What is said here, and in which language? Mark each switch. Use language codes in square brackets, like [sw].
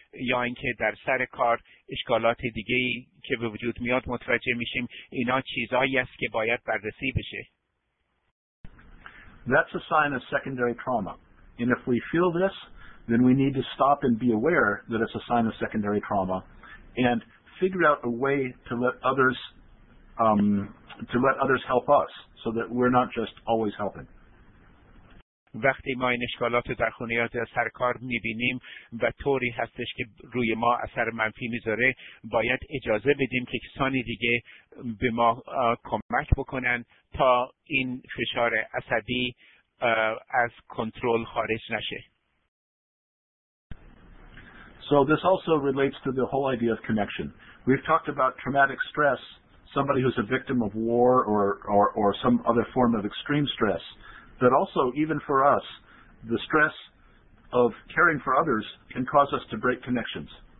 [fa] یا اینکه در سر کار اشکالات دیگه‌ای که به وجود میاد متوجه میشیم، اینا چیزایی است که باید بررسی بشه. [en] That's a sign of secondary trauma. And if we feel this, then we need to stop and be aware that it's a sign of secondary trauma and figure out a way to let others help us so that we're not just always helping. [fa] وقتی ما این اشکالات در خونه یا سر کار می‌بینیم و طوری هستش که روی ما اثر منفی می‌ذاره، باید اجازه بدیم که کسانی دیگه به ما کمک بکنن تا این فشار عصبی از کنترل خارج نشه. [en] So this also relates to the whole idea of connection. We've talked about traumatic stress, somebody who's a victim of war or some other form of extreme stress. But also, even for us, the stress of caring for others can cause us to break connections.